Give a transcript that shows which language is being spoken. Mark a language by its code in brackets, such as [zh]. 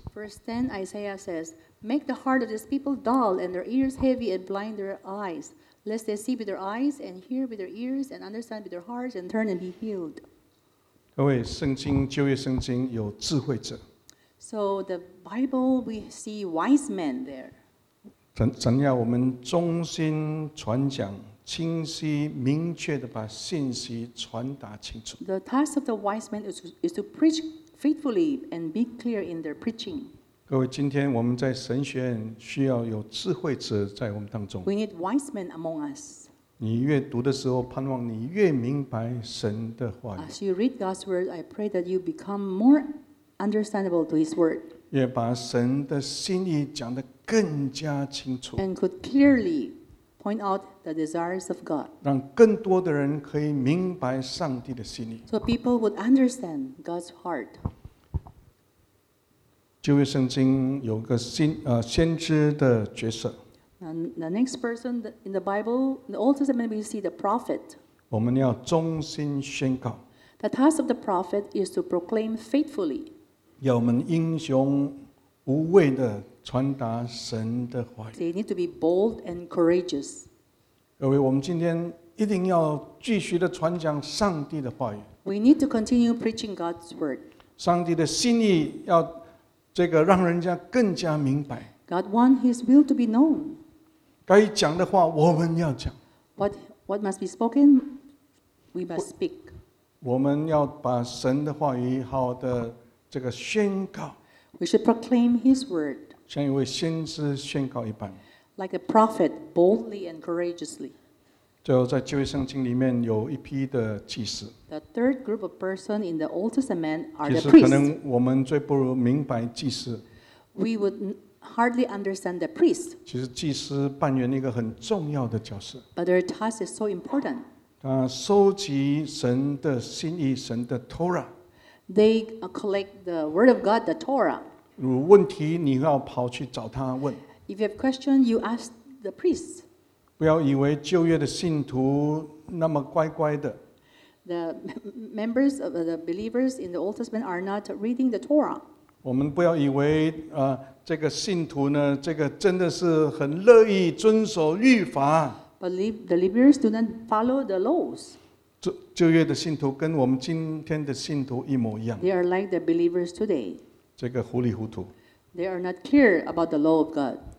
[en] First then Isaiah says,Make the heart of these people dull and their ears heavy and blind their eyes, lest they see with their eyes and hear with their ears and understand with their hearts and turn and be healed. [zh] 各位，圣经旧约圣经有智慧者。 [en] So the Bible we see wise men there. [zh] 怎要我们忠心传讲，清晰明确的把信息传达清楚。 [en] The task of the wise men is to preach faithfully and be clear in their preaching. [zh] 各位，今天我们在神学院需要有智慧者在我们当中。 [en] We need wise men among us. [zh] 你越读的时候，盼望你越明白神的话语。 [en] As you read God's word, I pray that you become more understandable to His word. [zh] 也把神的心意讲得更加清楚。 [en] And could clearly point out the desires of God. [zh] 让更多的人可以明白上帝的心意。 [en] So people would understand God's heart. [zh] 旧约圣经有个先知的角色。 [en] The next person in the Bible, in the Old Testament, we see the prophet. [zh] 我们要忠心宣告。 [en] The task of the prophet is to proclaim faithfully. [zh] 要我们英雄无畏的传达神的话语。 [en] They need to be bold and courageous. [zh] 各位，我们今天一定要继续的传讲上帝的话语。 [en] We need to continue preaching God's word. [zh] 上帝的心意要。这个让人家更加明白。 [en] God wants His will to be known. [zh] 该讲的话我们要讲。 [en] What must be spoken, we must speak. [zh] 我们要把神的话语好的这个宣告。 [en] We should proclaim His word. [zh] 像一位先知宣告一般。 [en] Like a prophet, boldly and courageously. [zh] 最后，在旧约圣经里面有一批的祭司。 [en] The third group of person in the Old Testament are the priests. [zh] 其实，可能我们最不明白祭司。 [en] We would hardly understand the priest. [zh] 其实，祭司扮演一个很重要的角色。 [en] But their task is so important. [zh] 他收集神的心意，神的 Torah。 [en] They collect the word of God, the Torah. [zh] 有问题，你要跑去找他问。 [en] If you have questions, you ask the priests. [zh] 不要以为旧约的信徒那么乖乖的。 [en] The members of the believers in the Old Testament are not reading the Torah. [zh] 我们不要以为这个信徒呢，这个真的是很乐意遵守律法。 [en] But the believers do not follow the laws. [zh] 旧约的信徒跟我们今天的信徒一模一样。 [en] They are like the believers today. [zh] 这个糊里糊涂。 [en] They are not clear about the law of God.